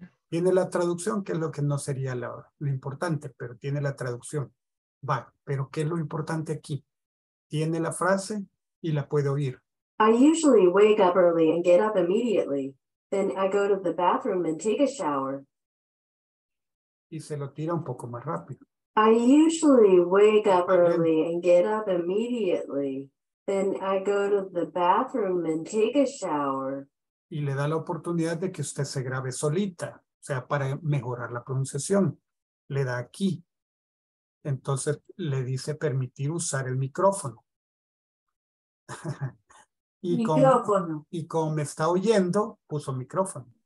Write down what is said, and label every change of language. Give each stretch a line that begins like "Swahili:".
Spanish: Tiene la traducción, que es lo que no sería lo importante, pero tiene la traducción. Va, pero ¿qué es lo importante aquí? Tiene la frase y la puede oír.
English: I usually wake up early and get up immediately. Then I go to the bathroom and take a shower.
Spanish: Y se lo tira un poco más rápido.
English: I usually wake up early and get up immediately. Then I go to the bathroom and take a shower.
Spanish: Y le da la oportunidad de que usted se grabe solita. O sea, para mejorar la pronunciación, le da aquí. Entonces le dice permitir usar el micrófono. Y micrófono. Como me está oyendo, puso micrófono.